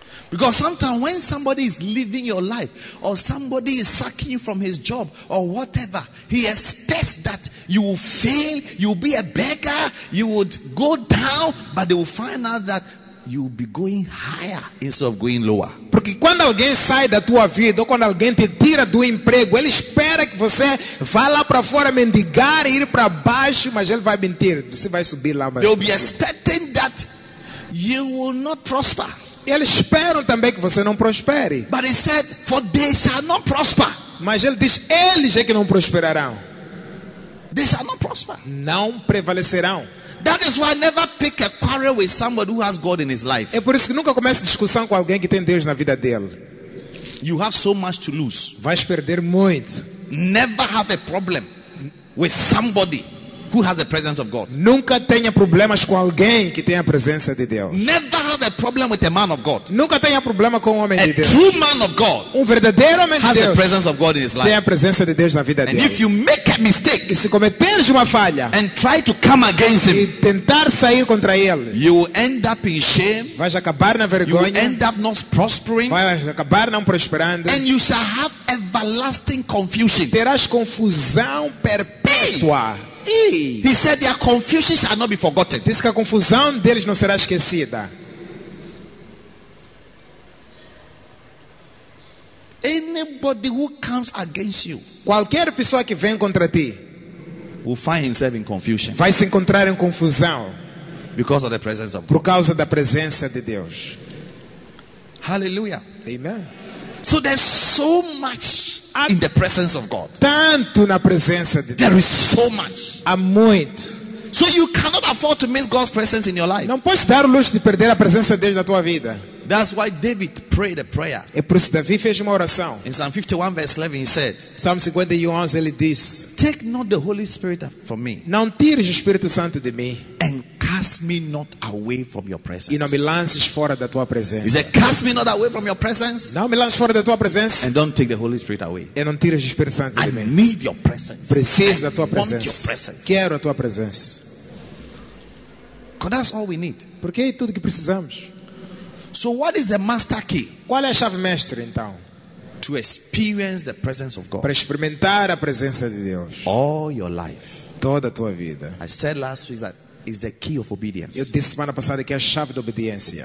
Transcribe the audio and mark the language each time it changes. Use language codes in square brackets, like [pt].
[en] Because sometimes when somebody is living your life, or somebody is sucking you from his job, or whatever, he expects that you will fail, you will be a beggar, you would go down, but they will find out that you will be going higher instead of going lower. [pt] Porque quando alguém sai da tua vida, ou quando alguém te tira do emprego, ele espera que você vá lá para fora mendigar e ir para baixo, mas ele vai mentir, você vai subir lá. [en] They will be expecting that you will not prosper. [pt] Eles esperam também que você não prospere. [en] But he said, for they shall not prosper. [pt] Mas ele diz, eles é que não prosperarão. [en] They shall not prosper. [pt] Não prevalecerão. [en] That is why I never pick a quarrel with somebody who has God in his life. [pt] É por isso que nunca comece discussão com alguém que tem Deus na vida dele. [en] You have so much to lose. [pt] Vais perder muito. [en] Never have a problem with somebody who has the presence of God. [pt] Nunca tenha problemas com alguém que tenha a presença de Deus. [en] Never have a problem with a man of God. [pt] Nunca tenha problema com um homem [en] a [pt] de Deus. [en] A true man of God. [pt] Um verdadeiro homem de Deus. [en] Has the presence of God in his life. [pt] Tem a presença de Deus na vida [en] and [pt] dele. [en] And if you make a mistake, [pt] e se cometeres uma falha, [en] and try to come against him, [pt] e tentar sair contra ele, [en] you will end up in shame. [pt] Vais acabar na vergonha. [en] You will end up not prospering. [pt] Vais acabar não prosperando. [en] And you shall have everlasting confusion. [pt] Terás confusão perpétua. [en] He said their confusion shall not be forgotten. [pt] Diz que a confusão deles não será esquecida. [en] Anybody who comes against you, [pt] qualquer pessoa que vem contra ti, [en] will find himself in confusion. [pt] Vai se encontrar em confusão. [en] Because of the presence of God. [pt] Por causa da presença de Deus. [en] Hallelujah. [pt] Amen. [en] So there's so much in the presence of God. [pt] Tanto na presença de Deus. [en] There is so much. [pt] Há muito. [en] So you cannot afford to miss God's presence in your life. [pt] Não podes dar o luxo de perder a presença de Deus na tua vida. [en] That's why David prayed a prayer. [pt] É por isso que Davi fez uma oração. [en] In Psalm 51 verse 11 he said, [pt] Psalm 51 ele diz, [en] take not the Holy Spirit from me. [pt] Não tires o Espírito Santo de mim. [en] And cast me not away from your presence. [pt] E não me lances fora da tua presença. [en] He said, cast me not away from your presence. [pt] Não me lances fora da tua presença. [en] And don't take the Holy Spirit away. [pt] E não tires o Espírito Santo de mim. [en] I need your presence. [pt] Preciso [en] I [pt] da tua [en] want [pt] presença. [en] Your presence. [pt] Quero a tua presença. [en] Because that's all we need. [pt] Porque é tudo que precisamos. [en] So what is the master key? [pt] Qual é a chave mestre então? [en] To experience the presence of God. [pt] Para experimentar a presença de Deus. [en] All your life. [pt] Toda a tua vida. [en] I said last week that is the key of obedience. [pt] Eu disse semana passada que é a chave da obediência.